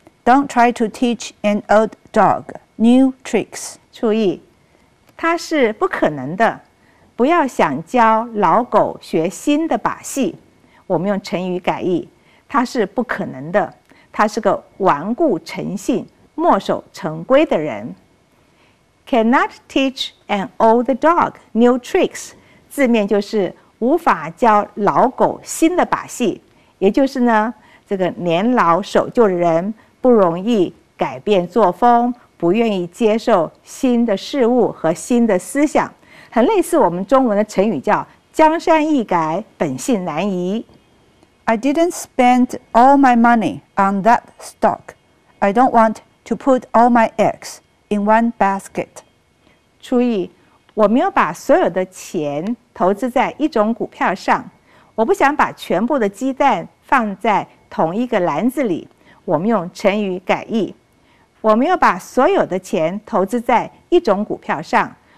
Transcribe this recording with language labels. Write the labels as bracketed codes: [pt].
[en] Don't try to teach an old dog new tricks. [zh] 注意，他是不可能的，不要想教老狗学新的把戏。我们用成语改译，他是不可能的。他是个顽固诚信、墨守成规的人。 [en] Cannot teach an old dog new tricks， [zh] 字面就是无法教老狗新的把戏，也就是呢，这个年老守旧的人不容易改变作风，不愿意接受新的事物和新的思想，很类似我们中文的成语叫"江山易改，本性难移"。 [en] I didn't spend all my money on that stock. I don't want to put all my eggs in one basket. [zh] 注意，我没有把所有的钱投资在一种股票上。我不想把全部的鸡蛋放在同一个篮子里。我们用成语改义。我没有把所有的钱投资在一种股票上。